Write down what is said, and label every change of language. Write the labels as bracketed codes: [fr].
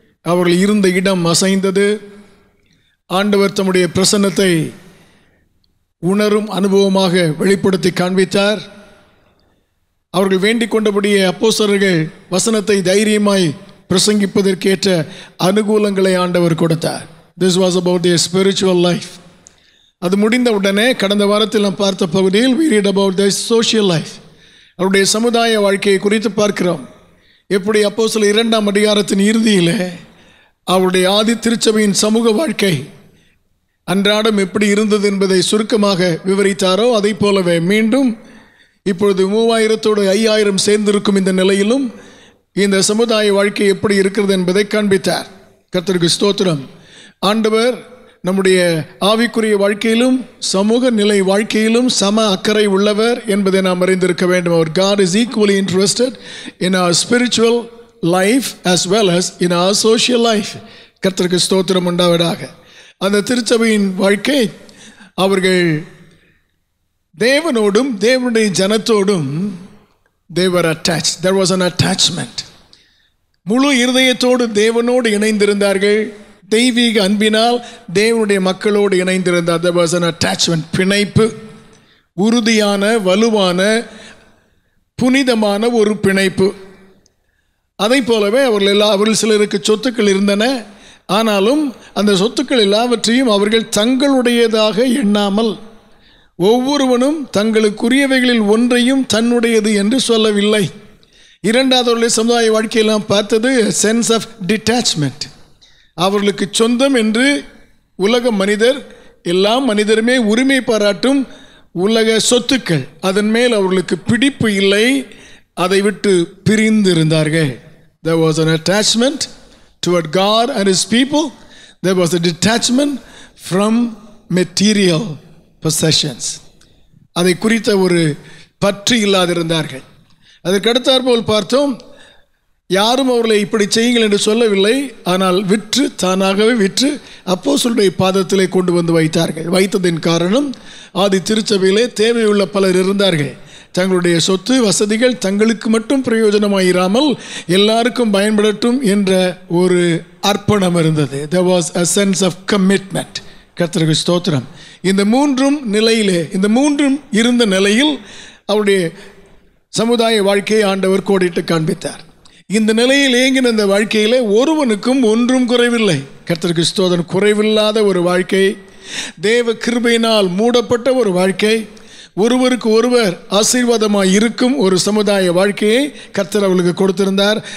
[ta] அவர்கள் இருந்த இடம் அசைந்தது. ஆண்டவர் தம்முடைய பிரசன்னத்தை உணரும் அனுபவமாக வெளிப்படுத்தி காண்பித்தார். அவர்கள் வேண்டிக் கொண்டபடியே அப்போஸ்தலர்கள் வசனத்தை தைரியமாய் பிரசங்கிப்பதற்கேற்ற அனுகூலங்களை ஆண்டவர் கொடுத்தார். [en] This was about their spiritual life. [ta] அது முடிந்த உடனே கடந்த வாரத்தில் நாம் பார்த்த பகுதியில் [en] we read about their social life. [ta] அவருடைய சமுதாய வாழ்க்கையை குறித்து பார்க்கிறோம். எப்படி அப்போஸ்தலர் 2 இறுதியில் அவருடைய ஆதி திருச்சபையின் சமூக வாழ்க்கை அன்றாடம் எப்படி இருந்தது என்பதை சுருக்கமாக விவரித்தாரோ, அதை போலவே மீண்டும் இப்பொழுது 3,000-5,000 சேர்ந்திருக்கும் இந்த நிலையிலும் இந்த சமுதாய வாழ்க்கை எப்படி இருக்கிறது என்பதை காண்பித்தார். கர்த்தருக்கு ஸ்தோத்திரம். ஆண்டவர் நம்முடைய ஆவிக்குரிய வாழ்க்கையிலும் சமூக நிலை வாழ்க்கையிலும் சம அக்கறை உள்ளவர் என்பதை நாம் அறிந்திருக்க வேண்டும். அவர் [en] God is equally interested in our spiritual life as well as in our social life. [ta] கர்த்தருக்கு ஸ்தோத்திரம் உண்டாவதாக. அந்த திருச்சபையின் வாழ்க்கை, அவர்கள் தேவனோடும் தேவனுடைய ஜனத்தோடும் [en] they were attached. There was an attachment. [ta] முழு இருதயத்தோடு தேவனோடு இணைந்திருந்தார்கள். தெய்வீக அன்பினால் தேவனுடைய மக்களோடு இணைந்திருந்தார். [en] There was an attachment. [ta] பிணைப்பு, உறுதியான வலுவான புனிதமான ஒரு பிணைப்பு. அதை போலவே அவர்கள் எல்லா அவர்கள் சிலருக்கு சொத்துக்கள் இருந்தன. ஆனாலும் அந்த சொத்துக்கள் எல்லாவற்றையும் அவர்கள் தங்களுடையதாக எண்ணாமல் ஒவ்வொருவனும் தங்களுக்குரியவைகளில் ஒன்றையும் தன்னுடையது என்று சொல்லவில்லை. இரண்டாவது அவர்களுடைய சமுதாய வாழ்க்கையெல்லாம் பார்த்தது [en] Sense of detachment. [ta] அவர்களுக்கு சொந்தம் என்று உலக மனிதர் எல்லா மனிதருமே உரிமை பாராட்டும் உலக சொத்துக்கள், அதன் மேல் அவர்களுக்கு பிடிப்பு இல்லை, அதை விட்டு பிரிந்திருந்தார்கள். [en] There was an attachment toward God and his people. There was a detachment from material possessions. [ta] அதை குறித்த ஒரு பற்று இல்லாதிருந்தார்கள். அதற்கடுத்தாற்போல் பார்த்தோம், யாரும் அவர்களை இப்படி செய்யுங்கள் என்று சொல்லவில்லை, ஆனால் விற்று தானாகவே விற்று அப்போஸ்தலருடைய பாதத்திலே கொண்டு வந்து வைத்தார்கள். வைத்ததின் காரணம், ஆதி திருச்சபையிலே தேவையுள்ள பலர் இருந்தார்கள். தங்களுடைய சொத்து வசதிகள் தங்களுக்கு மட்டும் பிரயோஜனமாயிராமல் எல்லாருக்கும் பயன்படட்டும் என்ற ஒரு அர்ப்பணம் இருந்தது. [en] There was a sense of commitment. [ta] கர்த்தருக்கு ஸ்தோத்திரம். இந்த மூன்றும் நிலையிலே, இந்த மூன்றும் இருந்த நிலையில் அவருடைய சமுதாய வாழ்க்கையை ஆண்டவர் கோடிட்டு காண்பித்தார். இந்த நிலையில் இயங்கின இந்த வாழ்க்கையிலே ஒருவனுக்கும் ஒன்றும் குறைவில்லை. கர்த்தருக்கு ஸ்தோத்திரம். குறைவில்லாத ஒரு வாழ்க்கை, தேவ கிருபையினால் மூடப்பட்ட ஒரு வாழ்க்கை, ஒருவருக்கு ஒருவர் ஆசீர்வாதமாக இருக்கும் ஒரு சமுதாய வாழ்க்கையை கர்த்தர் அவர்களுக்கு கொடுத்திருந்தார்.